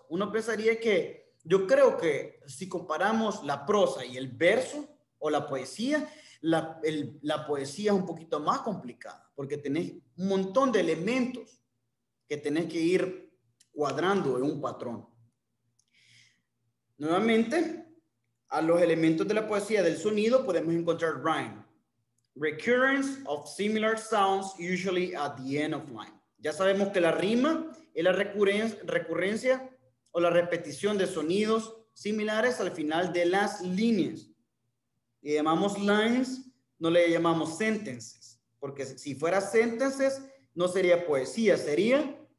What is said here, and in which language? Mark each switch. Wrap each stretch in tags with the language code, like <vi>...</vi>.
<es>Uno pensaría que, yo creo que si comparamos la prosa y el verso o la poesía, la poesía es un poquito más complicada, porque tenés un montón de elementos que tenés que ir cuadrando en un patrón. Nuevamente, a los elementos de la poesía del sonido podemos encontrar rhyme.</es> <en>Recurrence of similar sounds, usually at the end of line.</en> <es>Ya sabemos que la rima es la recurrencia o la repetición de sonidos similares al final de las líneas. Le llamamos lines, no le llamamos sentences. Porque si fuera sentences, no sería poesía, sería...</es>